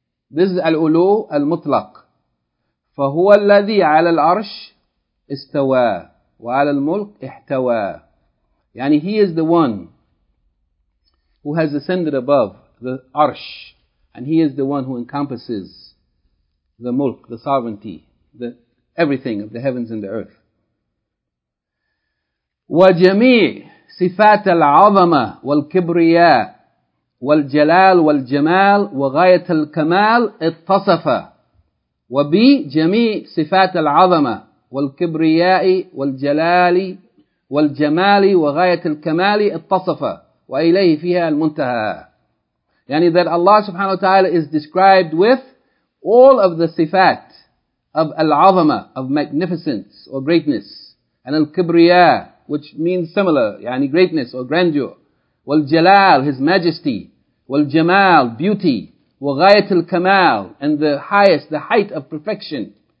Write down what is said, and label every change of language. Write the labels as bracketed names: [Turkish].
[English] This is al-ulu al-mutlaq. [Arabic] فَهُوَ الَّذِي عَلَى الْعَرْشِ اسْتَوَى وَعَلَى الْمُلْكِ احْتَوَى. [English] Yani he is the one who has ascended above the arsh. And he is the one who encompasses the mulk, the sovereignty, the everything of the heavens and the earth. [Arabic] وجميع صفات العظمة والكبرياء والجلال والجمال وغاية الكمال اتصف وبجميع صفات العظمة والكبرياء والجلال والجمال وغاية الكمال اتصف وإليه فيها المنتهى. [English] يعني that Allah subhanahu wa ta'ala is described with all of the sifat of al-azama, of magnificence or greatness, and al-kibriya, which means similar, يعني greatness or grandeur, wal-jalal, his majesty, wal-jamal, beauty, wa-ghayat al-kamal, and the highest, the height of perfection.